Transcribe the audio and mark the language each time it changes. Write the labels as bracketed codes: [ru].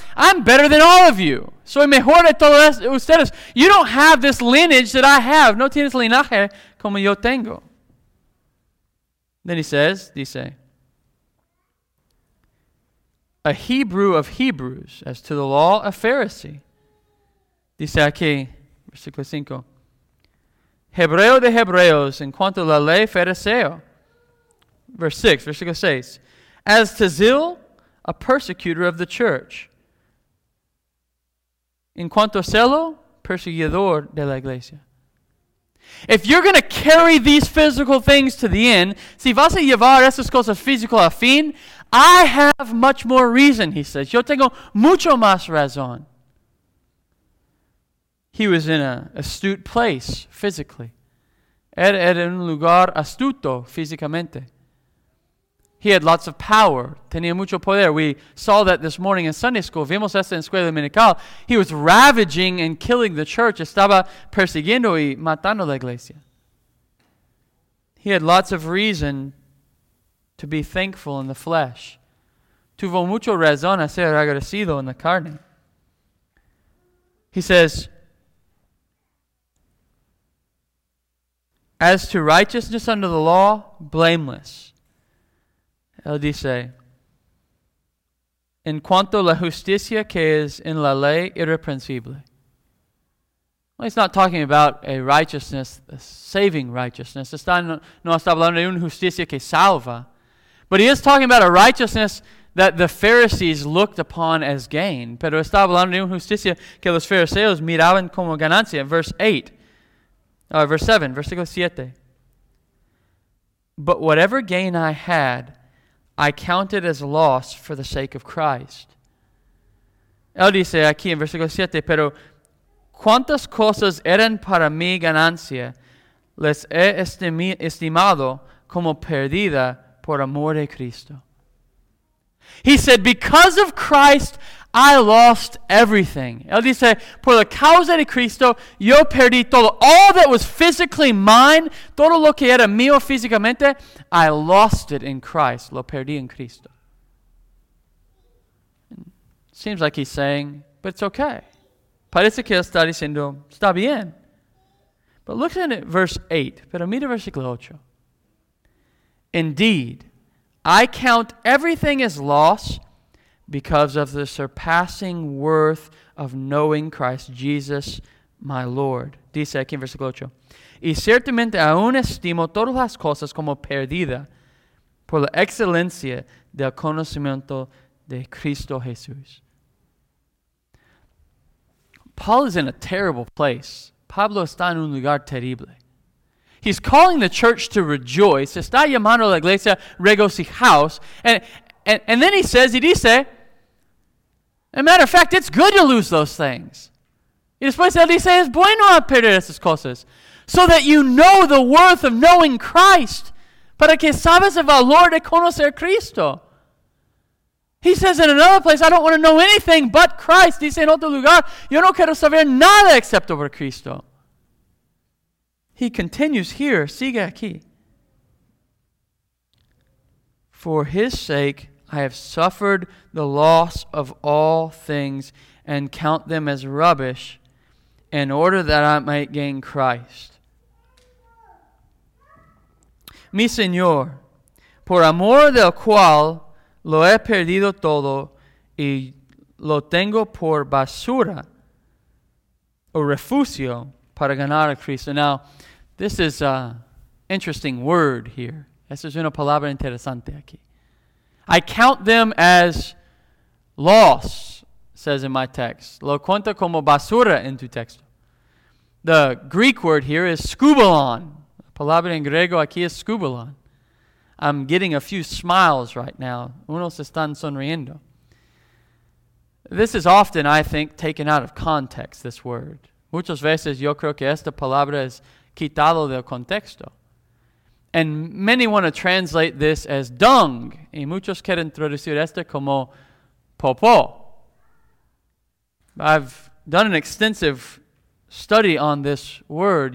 [en] I'm better than all of you. [es] Soy mejor de todos ustedes. [en] You don't have this lineage that I have. [es] No tienes linaje como yo tengo. [en] Then he says, [es] dice, [en] a Hebrew of Hebrews, as to the law, a Pharisee. [es] Dice aquí, versículo 5, Hebreo de Hebreos, en cuanto a la ley, fariseo. [en] Verse 6, [es] versículo 6, [en] as to zeal, a persecutor of the church. [es] En cuanto a celo, perseguidor de la iglesia. [en] If you're going to carry these physical things to the end, [es] si vas a llevar esas cosas físicas a fin, [en] I have much more reason, he says. [es] Yo tengo mucho más razón. [en] He was in an astute place physically. [es] Era en un lugar astuto físicamente. [en] He had lots of power. [es] Tenía mucho poder. [en] We saw that this morning in Sunday school. [es] Vimos eso en escuela dominical. [en] He was ravaging and killing the church. [es] Estaba persiguiendo y matando la iglesia. [en] He had lots of reason to be thankful in the flesh. [es] Tuvo mucho razón a ser agradecido en la carne. [en] He says, as to righteousness under the law, blameless. [es] él dice, en cuanto a la justicia que es en la ley irreprensible. [en] Well, he's not talking about a righteousness, a saving righteousness. [es] No está hablando de una justicia que salva. [en] But he is talking about a righteousness that the Pharisees looked upon as gain. [es] Pero está hablando de una justicia que los fariseos miraban como ganancia. Versículo 7. [en] But whatever gain I had, I counted as loss for the sake of Christ. [es] Él dice aquí en versículo 7, pero cuántas cosas eran para mí ganancia, les he estimado como perdida por amor de Cristo. [en] He said, because of Christ, I lost everything. [es] Él dice, por la causa de Cristo, yo perdí todo. [en] All that was physically mine, [es] todo lo que era mío físicamente, [en] I lost it in Christ. [es] Lo perdí en Cristo. [en] Seems like he's saying, but it's okay. [es] Parece que está diciendo, está bien. [en] But look at verse 8. [es] Pero mira versículo 8. [en] Indeed, I count everything as loss because of the surpassing worth of knowing Christ Jesus, my Lord. [es] Dice aquí en versículo 8. Y ciertamente aún estimo todas las cosas como perdida por la excelencia del conocimiento de Cristo Jesús. [en] Paul is in a terrible place. [es] Pablo está en un lugar terrible. [en] He's calling the church to rejoice. [es] Está llamando a la iglesia regocijaos. [en] And then he says, he [es] dice, [en] as a matter of fact, it's good to lose those things. [es] Y después él dice, es bueno a perder esas cosas. [en] So that you know the worth of knowing Christ. [es] Para que sabes el valor de conocer Cristo. [en] He says in another place, I don't want to know anything but Christ. [es] Dice en otro lugar, yo no quiero saber nada excepto por Cristo. [en] He continues here, [es] sigue aquí. [en] For his sake, I have suffered the loss of all things and count them as rubbish in order that I might gain Christ. [es] Mi Señor, por amor del cual lo he perdido todo y lo tengo por basura o refugio para ganar a Cristo. [en] Now, this is an interesting word here. [es] Esta es una palabra interesante aquí. [en] I count them as loss, says in my text. [es] Lo cuento como basura en tu texto. [en] The Greek word here is skubalon. [es] La palabra en griego aquí es skubalon. [en] I'm getting a few smiles right now. [es] Unos están sonriendo. [en] This is often, I think, taken out of context, this word. [es] Muchas veces yo creo que esta palabra es quitado del contexto. [en] And many want to translate this as dung. [es] Y muchos quieren traducir esto como popó. [en] I've done an extensive study on this word.